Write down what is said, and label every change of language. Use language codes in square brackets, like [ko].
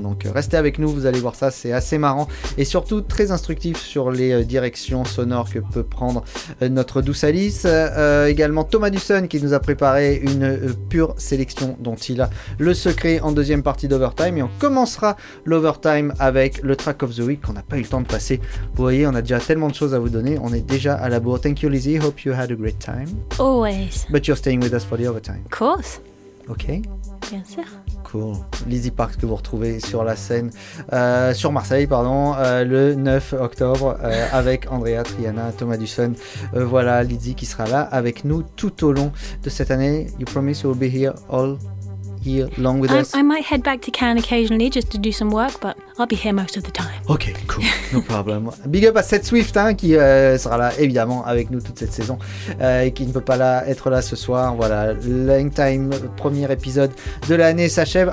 [fr] Donc restez avec nous, vous allez voir ça, c'est assez marrant et surtout très instructif sur les directions sonores que peut prendre notre douce Alice. Également Thomas Dusson qui nous a préparé une pure sélection dont il a le secret en deuxième partie d'Overtime. Et on commencera l'Overtime avec le Track of the Week qu'on n'a pas eu le temps de passer. Vous voyez, on a déjà tellement de choses à vous donner, on est déjà à la bourre. [en] Thank you Lizzie, hope you had a great time. Always. But you're staying with us for the overtime. Of course. Okay. [fr] Bien sûr. [en] Cool. [fr] Lizzie Parks que vous retrouvez sur la scène, sur Marseille, pardon, le 9 octobre avec Andrea, Triana, Thomas Dusson. Voilà Lizzie qui sera là avec nous tout au long de cette année. [en] You promise you'll be here all year long with us. I might head back to Cannes occasionally just to do some work, but I'll be here most of the time. Ok, cool, no problem. [fr] Big up à Seth Swift qui sera là évidemment avec nous toute cette saison et qui ne peut pas être là ce soir. Voilà, Hang Time, premier épisode de l'année s'achève.